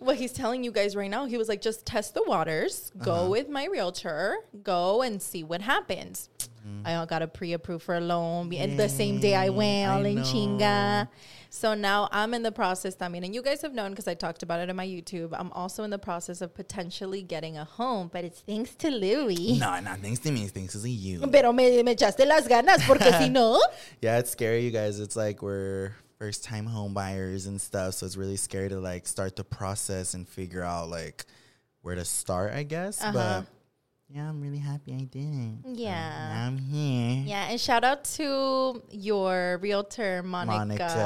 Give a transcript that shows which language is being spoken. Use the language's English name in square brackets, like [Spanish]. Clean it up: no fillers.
[English] What he's telling you guys right now, he was like, just test the waters, go with my realtor, go and see what happens. I got a pre-approved for a loan the same day I went, all in chinga. So now I'm in the process, I mean, and you guys have known because I talked about it on my YouTube. I'm also in the process of potentially getting a home, but it's thanks to Louis. No, thanks to me. Thanks to you. [Spanish] Pero me echaste las ganas, porque si no. [English] Yeah, it's scary, you guys. It's like we're first-time home buyers and stuff, so it's really scary to, like, start the process and figure out, like, where to start, I guess. But yeah, I'm really happy I didn't. Yeah. I'm here. Yeah, and shout out to your realtor, Monica.